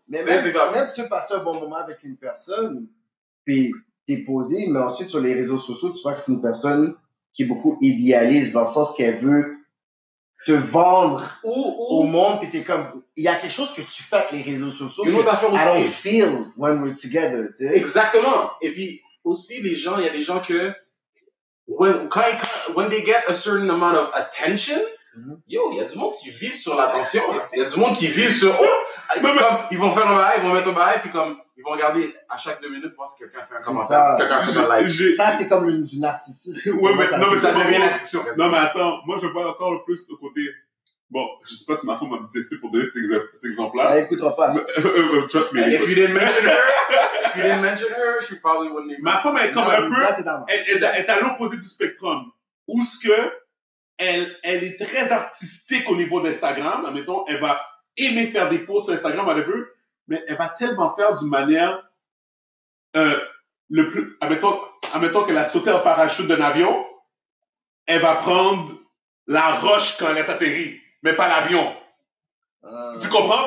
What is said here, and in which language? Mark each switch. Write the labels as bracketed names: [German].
[French] Mais même tu passes un bon moment avec une personne, puis t'es posé, mais ensuite sur les réseaux sociaux, tu vois que c'est une personne qui est beaucoup idéaliste dans le sens qu'elle veut te vendre au monde, puis t'es comme, il y a quelque chose que tu fais avec les réseaux sociaux. Une autre affaire aussi. [English] I don't feel when we're together, [French] tu sais. Exactement. Et puis, aussi, les gens, il y a des gens que, [English] when they get a certain amount of attention, [French] yo, il y a du monde qui vit sur l'attention. Il y a du monde qui vit sur, ils vont faire un bail, ils vont mettre un bail, puis comme, ils vont regarder à chaque deux minutes pour voir si quelqu'un fait un commentaire, si quelqu'un fait un like. Ça, c'est comme du narcissisme. Ouais, mais ça, ça devient l'addiction. Non, mais attends, moi, je vois encore le plus le côté. Bon, je sais pas si ma femme m'a détesté pour donner cet exemple-là. Elle écoutera pas. [English] Trust me. If you didn't mention her, if you didn't mention her, she probably wouldn't even. [French] Ma femme, elle est comme un peu. Elle est à l'opposé du spectrum. Où ce que elle est très artistique au niveau d'Instagram. Admettons, elle va aimer faire des posts sur Instagram, elle veut. Mais elle va tellement faire d'une manière, le plus, admettons qu'elle a sauté en parachute d'un avion, elle va prendre la roche quand elle est atterrie, mais pas l'avion. Tu comprends?